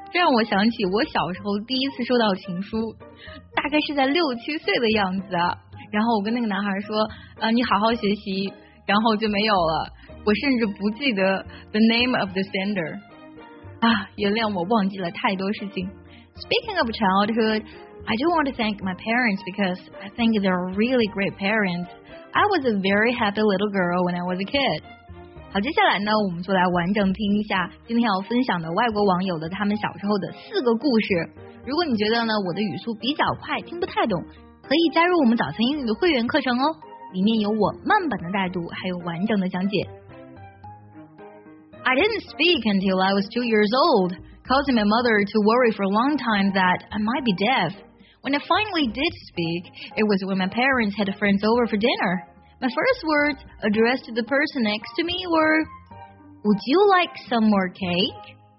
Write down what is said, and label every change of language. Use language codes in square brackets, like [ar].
[zh] 这让我想起我小时候第一次收到情书，大概是在六七岁的样子啊。然后我跟那个男孩说，你好好学习，然后就没有了。我甚至不记得 [en] the name of the sender， [zh] 啊，原谅我忘记了太多事情。 [en] Speaking of childhood, I do want to thank my parents because I think they're really great parents. I was a very happy little girl when I was a kid. [zh] 好，接下来呢，我们就来完整听一下今天要分享的外国网友的他们小时候的四个故事。如果你觉得呢我的语速比较快，听不太懂，可以加入我们早餐英语的会员课程哦，里面有我慢版的带读，还有完整的讲解。 [en] I didn't speak until I was 2 years old, causing my mother to worry for a long time that I might be deaf. When I finally did speak, it was when my parents had friends over for dinner. My first words addressed to the person next to me were, Would you like some more cake?